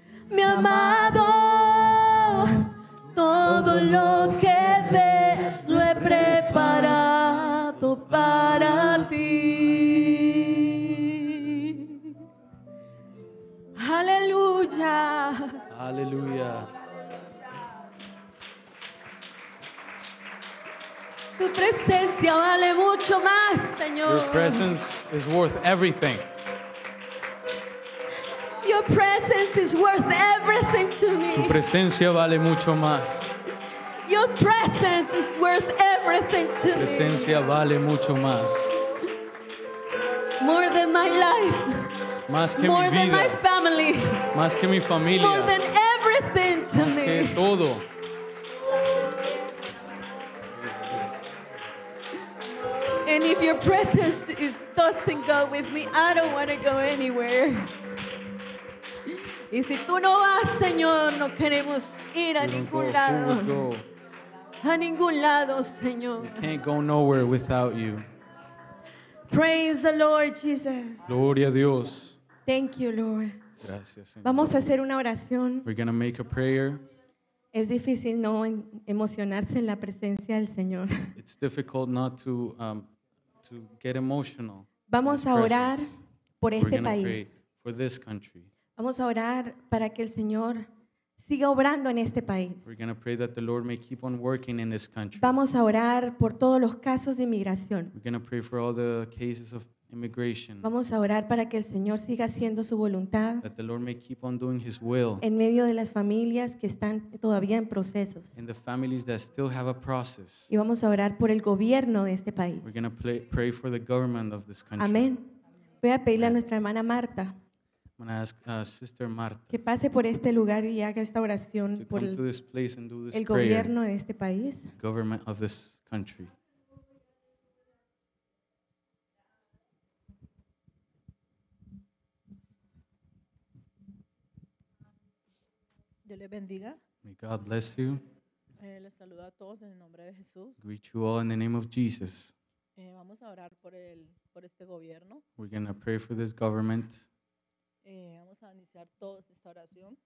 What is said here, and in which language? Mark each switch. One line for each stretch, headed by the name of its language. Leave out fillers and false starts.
Spanish: Mi amado, todo lo que ves lo he preparado para ti. Aleluya. Aleluya. Tu presencia vale mucho más, Señor.
English: Your presence is worth everything. Your presence is worth everything to me.
Spanish: Tu presencia vale mucho más.
English: Your presence is worth everything to me.
Spanish: Tu presencia vale mucho más.
English: More than my life.
Spanish: Más que
English: more
Spanish: mi vida.
English: More than my family.
Spanish: Más que mi familia.
English: More than everything to
Spanish: más
English: me.
Spanish: Más que todo.
English: And if your presence is doesn't go with me, I don't want to go anywhere.
Spanish: Y si tú no vas, Señor, no queremos ir a ningún lado. A ningún lado, Señor.
English: We can't go nowhere without you. Praise the Lord Jesus.
Spanish: Gloria a Dios.
English: Thank you, Lord.
Spanish: Gracias, Señor. Vamos a hacer una oración.
English: We're going to make a prayer.
Spanish: Es difícil no emocionarse en la presencia del Señor.
English: It's difficult not to to get emotional.
Spanish: Vamos a orar por este país.
English: We're going to pray for this country.
Spanish: Vamos a orar para que el Señor siga obrando en este país.
English: We're going to pray that the Lord may keep on working in this country.
Spanish: Vamos a orar por todos los casos de inmigración.
English: We're going to pray for all the cases of immigration.
Spanish: Vamos a orar para que el Señor siga haciendo su voluntad.
English: That the Lord may keep on doing his will.
Spanish: En medio de las familias que están todavía en procesos.
English: In the families that still have a process.
Spanish: Y vamos a orar por el gobierno de este país.
English: We're going to pray for the government of this country.
Spanish: Amén. Voy a pedirle a nuestra hermana Marta.
English: I'm going to ask Sister Marta
Spanish: que pase por este lugar y haga esta oración por el gobierno de este país.
English: The government of this country.
Spanish: Dios le bendiga.
English: May God bless you.
Spanish: Les saludo a todos en el nombre de Jesús.
English: Greet you all in the name of Jesus.
Spanish: Vamos a orar por este gobierno.
English: We're going to pray for this government.
Spanish: Vamos a iniciar todos esta oración.